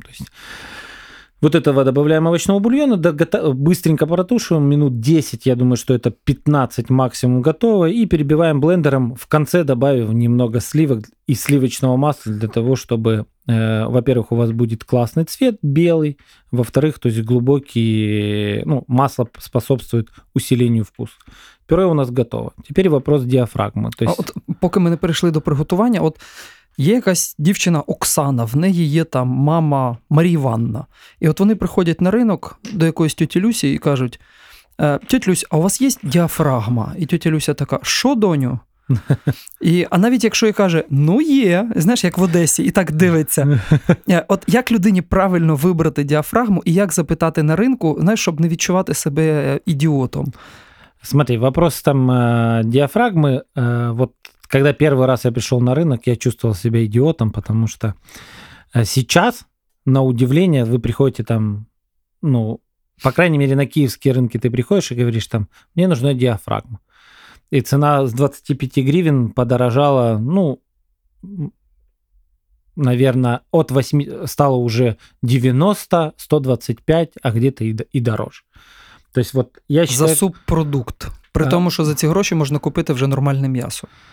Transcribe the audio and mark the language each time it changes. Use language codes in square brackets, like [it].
[ru] То есть вот этого добавляем овощного бульона, быстренько протушиваем, минут 10, я думаю, что это 15 максимум готово, и перебиваем блендером, в конце добавив немного сливок и сливочного масла для того, чтобы... Во-первых, у вас будет классный цвет, белый. Во-вторых, то есть глубокий, ну, масло способствует усилению вкуса. Пюре у нас готово. Теперь вопрос діафрагми. То есть... [uk] А от, поки ми не перейшли до приготування, от є якась дівчина Оксана, в неї є там мама Марія Іванна. І от вони приходять на ринок до якоїсь тьоті Люсі і кажуть, тьоті Люсь, а у вас є діафрагма? І тьоті Люся така, що, доню? І, а навіть якщо і каже, ну є, знаєш, як в Одесі, і так дивиться. От як людині правильно вибрати діафрагму і як запитати на ринку, знаєш, щоб не відчувати себе ідіотом? [ru] Смотри, вопрос там діафрагми. [uk] От коли перший раз я прийшов на ринок, я чувствував себе ідіотом, тому що зараз, на удивлення, ви приходите там, ну, [ru] по крайней мере, [uk] на київські ринки ти приходиш і говориш там, мені потрібна діафрагма. [ru] И цена с 25 гривен подорожала, ну, наверное, от 8, стало уже 90, 125, а где-то и дороже. То есть вот я считаю... За субпродукт. При том, что за эти гроши можно купить уже нормальное мясо.